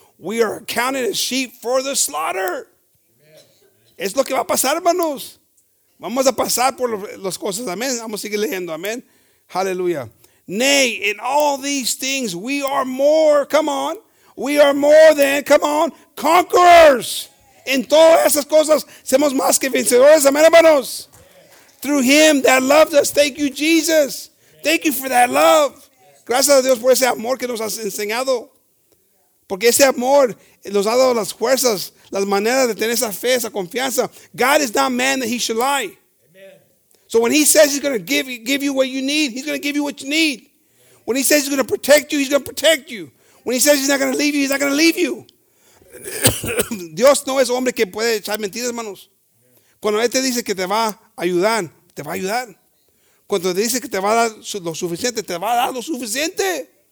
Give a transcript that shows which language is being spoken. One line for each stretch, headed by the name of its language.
English: We are counted as sheep for the slaughter.
Spanish: Amen. Es lo que va a pasar, hermanos. Vamos a pasar por las cosas. Amén. Vamos a seguir leyendo. Amén. Hallelujah.
English: Nay, in all these things, we are more. Come on. We are more than, come on, conquerors.
Spanish: En todas esas cosas, somos más que vencedores. Amén, hermanos. Through Him that loved us. Thank you, Jesus.
English: Thank you for that love.
Spanish: Gracias a Dios por ese amor que nos has enseñado. Porque ese amor nos ha dado las fuerzas, las maneras de tener esa fe, esa confianza.
English: God is not man that he should lie. Amen. So when he says he's going to give you what you need, he's going to give you what you need. Amen. When he says he's going to protect you, he's going to protect you. When he says he's not going to leave you, he's not going to leave you.
Spanish: Dios no es hombre que puede echar mentiras, hermanos. Amen. Cuando Él te dice que te va a ayudar, te va a ayudar. Cuando te dice que te va a dar lo suficiente, te va a dar lo suficiente.